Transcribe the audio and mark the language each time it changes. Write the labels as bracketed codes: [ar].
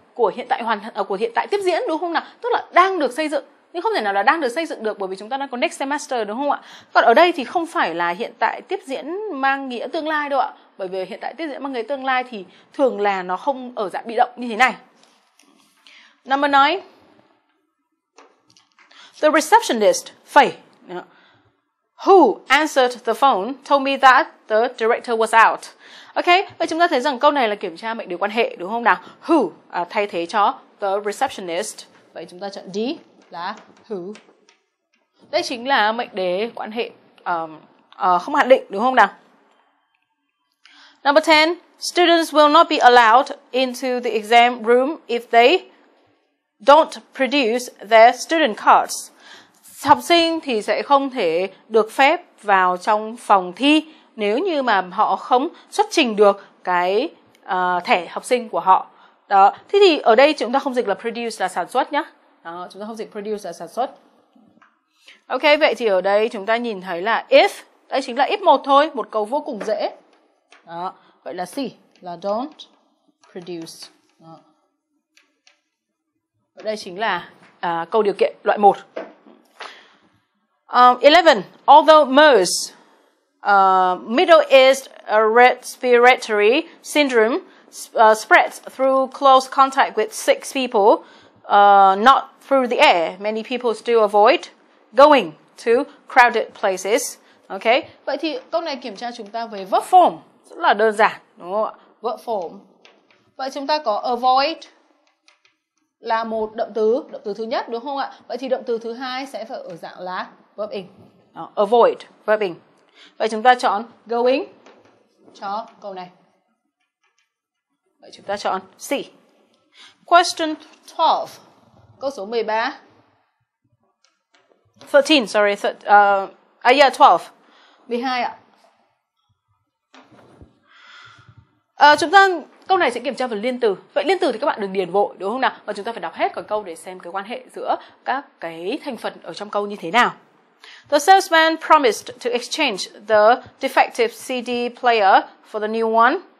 [vi] Của hiện tại của hiện tại tiếp diễn, đúng không nào? Tức là đang được xây dựng. Nhưng không thể nào là đang được xây dựng được, bởi vì chúng ta đang có [en] next semester, [vi] đúng không ạ? Còn ở đây thì không phải là hiện tại tiếp diễn mang nghĩa tương lai đâu ạ. Bởi vì hiện tại tiếp diễn mang nghĩa tương lai thì thường là nó không ở dạng bị động như thế này. [en] Number 9. The receptionist, Faye, who answered the phone, told me that the director was out. [vi] Ok, vậy chúng ta thấy rằng câu này là kiểm tra mệnh đề quan hệ, đúng không nào? Who thay thế cho [en] the receptionist. [vi] Vậy chúng ta chọn D là who. Đây chính là mệnh đề quan hệ không hạn định, đúng không nào? [en] Number 10. Students will not be allowed into the exam room if they don't produce their student cards. [vi] Học sinh thì sẽ không thể được phép vào trong phòng thi nếu như mà họ không xuất trình được cái thẻ học sinh của họ. Đó. Thế thì ở đây chúng ta không dịch là produce là sản xuất nhé. Chúng ta không dịch produce là sản xuất. Ok, vậy thì ở đây chúng ta nhìn thấy là if, đây chính là if một thôi, một câu vô cùng dễ. Đó. Vậy là C, là [en] don't produce. [vi] Đó. Ở đây chính là câu điều kiện loại 1. 11. [en] Although MERS, Middle-East Respiratory Syndrome, spreads through close contact with 6 people, not through the air. Many people still avoid going to crowded places. Okay. [vi] Vậy thì câu này kiểm tra chúng ta về verb form. Rất là đơn giản, đúng không ạ? [en] Verb form. [vi] Vậy chúng ta có avoid là một động từ thứ nhất, đúng không ạ? Vậy thì động từ thứ hai sẽ phải ở dạng là verb ing. [en] Avoid, verb ing. [vi] Vậy chúng ta chọn going cho câu này. Vậy chúng ta chọn C. [en] Question 12. [vi] Câu số 13. [en] 13, sorry. 12. [vi] 12 ạ. Chúng ta, câu này sẽ kiểm tra phần liên từ. Vậy liên từ thì các bạn đừng điền vội, đúng không nào? Và chúng ta phải đọc hết cả câu để xem cái quan hệ giữa các cái thành phần ở trong câu như thế nào. [en] The salesman promised to exchange the defective CD player for the new one.